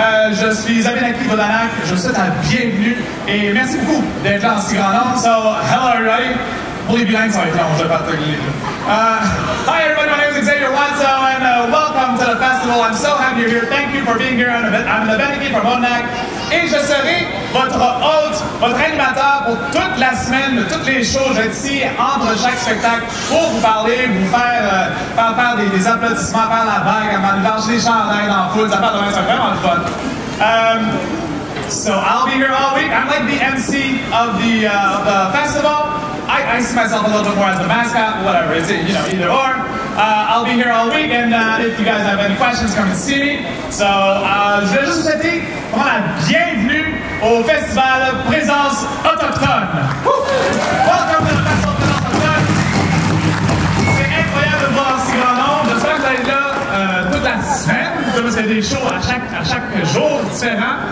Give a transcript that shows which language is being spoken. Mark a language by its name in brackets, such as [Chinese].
[French] Je suis Abinaki Vodanak, je vous souhaite la bienvenue et merci beaucoup d'être là en si grand nombre. [English] So, hello everybody. [French] Pour les bilingues, ça va être long, je vais pas te glisser. [English] Hi everybody, my name is Xavier Watso and welcome to the festival. I'm so happy you're here. Thank you for being here. I'm the Abinaki from Onak [French] et je serai votre hôte, votre animateur pour toute la semaine, de toutes les shows. Je vais être ici entre chaque spectacle pour vous parler, vous faire des applaudissements, faire la vague, à m'enlarger les chandelles dans la foule. Ça va être vraiment le fun. [English] So I'll be here all week. I'm like the MC of the festival. I see myself a little bit more as the mascot, whatever. It's, you know, either or. I'll be here all week, and if you guys have any questions, come and see me. [French] So, je vais juste vous souhaiter vraiment la bienvenue au festival Présence Autochtone. [English] Welcome to the festival [French] Présence Autochtone. C'est incroyable de voir si grand nombre. J'espère que vous allez être là toute la semaine. Comme c'est des shows à chaque jour différent.